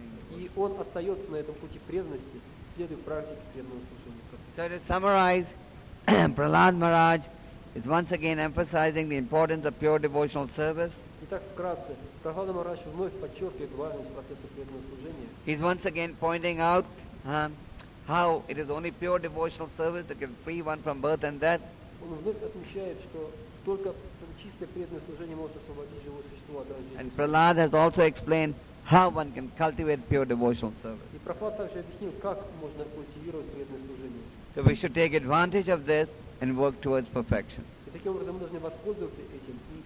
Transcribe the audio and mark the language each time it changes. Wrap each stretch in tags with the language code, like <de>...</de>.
<ru>И он остается на этом пути преданности, следуя практике преданного служения.</ru> <en>So to summarize, Prahlad Maharaj is once again emphasizing the importance of pure devotional service.</en> <ru>Итак, вкратце, Прахлада Махарадж вновь подчеркивает важность процесса преданного служения.</ru> <en>He's once again pointing out how it is only pure devotional service that can free one from birth and death.</en> <ru>Он вновь отмечает, что только чистое преданное служение может освободить живое существо от рождения.</ru> <en>And Prahlad has also explained how one can cultivate pure devotional service.</en> <ru>И Прахлад также объяснил, как можно культивировать преданное служение.</ru> <en>So we should take advantage of this and work towards perfection.</en> <ru>И таким образом мы должны воспользоваться этим</ru>